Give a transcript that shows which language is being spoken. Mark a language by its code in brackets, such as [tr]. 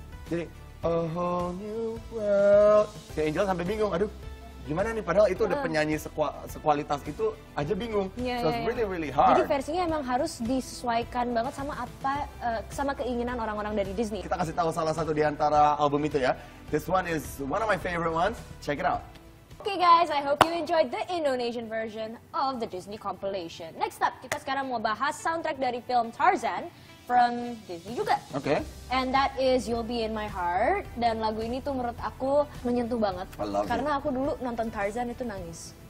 [id] Jadi, a whole new world. Si Angel sampai bingung, aduh gimana nih padahal itu udah penyanyi sekualitas itu aja bingung. [en] Yeah, so yeah, it's really really hard. [id] Jadi versinya emang harus disesuaikan banget sama apa, sama keinginan orang-orang dari Disney. Kita kasih tahu salah satu di antara album itu ya. [en] This one is one of my favorite ones. Check it out. Okay guys, I hope you enjoyed the Indonesian version of the Disney compilation. Next up, [id] kita sekarang mau bahas soundtrack dari film Tarzan [en] from Disney [id] juga. [en] Okay. And that is You'll Be in My Heart. [id] Dan lagu ini tuh menurut aku menyentuh banget. [en] I love [id] karena aku dulu nonton Tarzan itu nangis.